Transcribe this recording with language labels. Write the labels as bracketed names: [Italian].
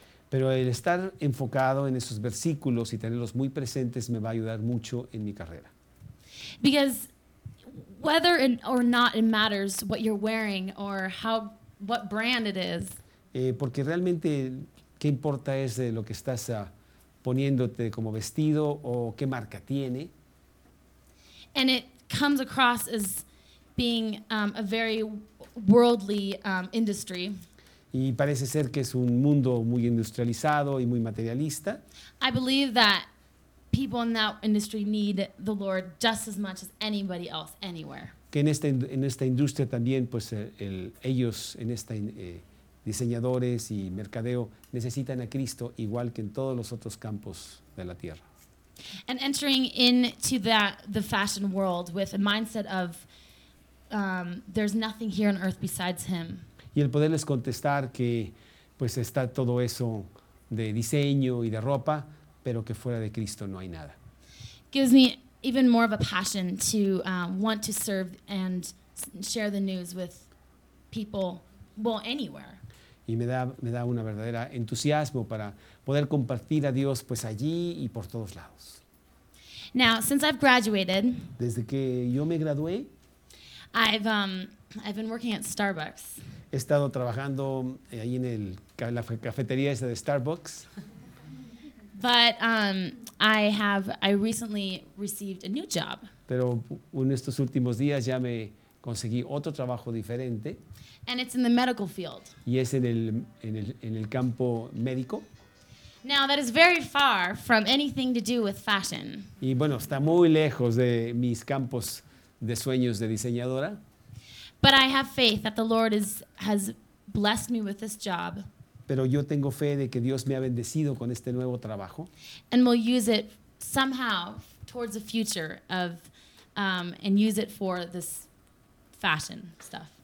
[Spanish] Pero el estar enfocado en esos versículos y tenerlos muy presentes me va a ayudar mucho en mi carrera. [English] Because whether or not it matters what you're wearing or what brand it is. [Spanish] Porque realmente qué importa es de lo que estás poniéndote como vestido o qué marca tiene. [English] And it comes across as being a very worldly industry. [Spanish] Y parece ser que es un mundo muy industrializado y muy materialista. [English] I believe that people in that industry need the Lord just as much as anybody else anywhere. [Spanish] Que en esta industria también pues ellos en esta diseñadores y mercadeo necesitan a Cristo igual que en todos los otros campos de la tierra. [English] And entering into the fashion world with a mindset of there's nothing here on earth besides Him. [Spanish] Y el poderles contestar que pues está todo eso de diseño y de ropa, pero que fuera de Cristo no hay nada. [English] Gives me even more of a passion to want to serve and share the news with people, well, anywhere. [Spanish] Y me da una verdadera entusiasmo para poder compartir a Dios pues allí y por todos lados. [English] Now, since I've graduated, [Spanish] desde que yo me gradué, [English] I've been working at Starbucks. [Spanish] He estado trabajando ahí en la cafetería esa de Starbucks. [English] But I recently received a new job. [Spanish] Pero en estos últimos días ya me conseguí otro trabajo diferente. [English] And it's in the medical field. [Spanish] Y es en el campo médico. [English] Now that is very far from anything to do with fashion. [Spanish] Y bueno, está muy lejos de mis campos de sueños de diseñadora. [English] But I have faith that the Lord has blessed me with this job. [Spanish] Pero yo tengo fe de que Dios me ha bendecido con este nuevo trabajo. [English] And will use it somehow towards the future of and use it for this fashion stuff.